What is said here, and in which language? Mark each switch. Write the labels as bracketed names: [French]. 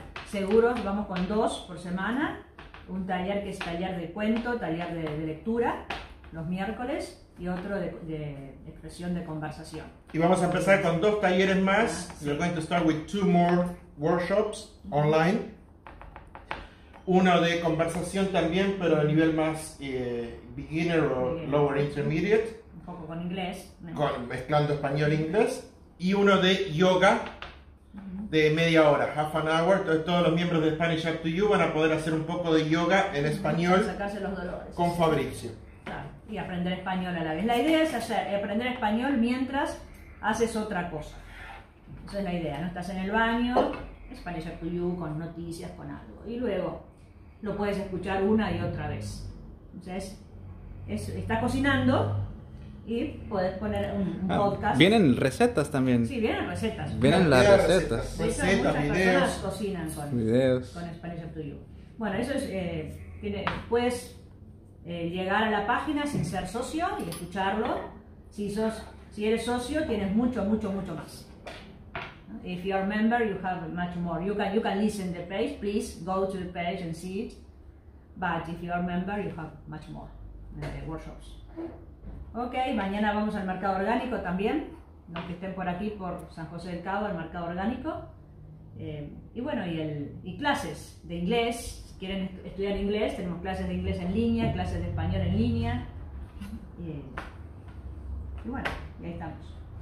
[Spanish] Seguro vamos con dos por semana, un taller que es taller de cuento, taller de lectura los miércoles y otro de expresión de conversación. Y vamos a empezar con dos talleres más. Sí. [English] We're going to start with two more workshops online. [Spanish] Uno de conversación también, pero a nivel más beginner o [English] lower intermediate. [Spanish] Un poco con inglés. Mezclando español e inglés. Y uno de yoga de media hora, [English] half an hour. [Spanish] Entonces todos los miembros de Spanish Up to You van a poder hacer un poco de yoga en español. Sacarse los dolores. Con Fabricio. Y aprender español a la vez. La idea es aprender español mientras haces otra cosa. Esa es la idea, ¿no? Estás en el baño, Spanish Up to You, con noticias, con algo. Y luego lo puedes escuchar una y otra vez. O sea, está cocinando y puedes poner un podcast. Vienen recetas también. Sí, vienen recetas. Vienen las recetas. Recetas, videos. Cocinan con Spanish Up to You. Bueno, eso es. Puedes llegar a la página sin ser socio y escucharlo. Si eres socio, tienes mucho, mucho, mucho más. [English] If you're a member, you have much more. You can listen the page. Please go to the page and see it. But if you're a member, you have much more workshops. [Spanish] Okay, mañana vamos al mercado orgánico también. Los que estén por aquí, por San José del Cabo, al mercado orgánico. Y clases de inglés. Si quieren estudiar inglés, tenemos clases de inglés en línea, clases de español en línea. Y ahí estamos.